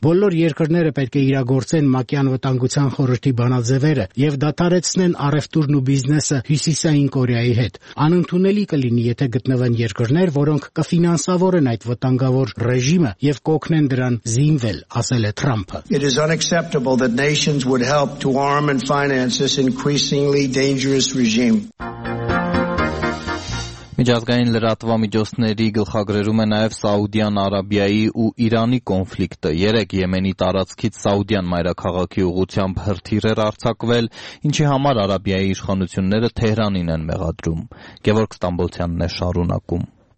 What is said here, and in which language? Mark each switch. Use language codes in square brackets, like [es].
[hy] Բոլոր երկրները պետք է իրագործեն Մաքյան վտանգության խորհրդի բանաձևերը եւ դադարեցնեն առևտուրն ու բիզնեսը Հյուսիսային Կորեայի հետ։ Անընդունելի կլինի, եթե գտնվեն երկրներ, որոնք կֆինանսավորեն այդ վտանգավոր ռեժիմը եւ կօգնեն դրան զինվել, ասել է Թրամփը։ [en] It is unacceptable that nations would help to arm and finance this increasingly dangerous regime. [hy] Միջազգային լրատվամիջոցների գլխագրերում է նաև Սաուդյան Արաբիայի ու Իրանի կոնֆլիկտը։ Երեկ Եմենի տարածքից Սաուդյան մայրաքաղաքի ուղությամբ հրթիռ էր արձակվել, ինչի համար Արաբիայի իշխանությունները Թեհրանին են մեղադրում։ Գևորգ Ստամբոլցյանն է շարունակում։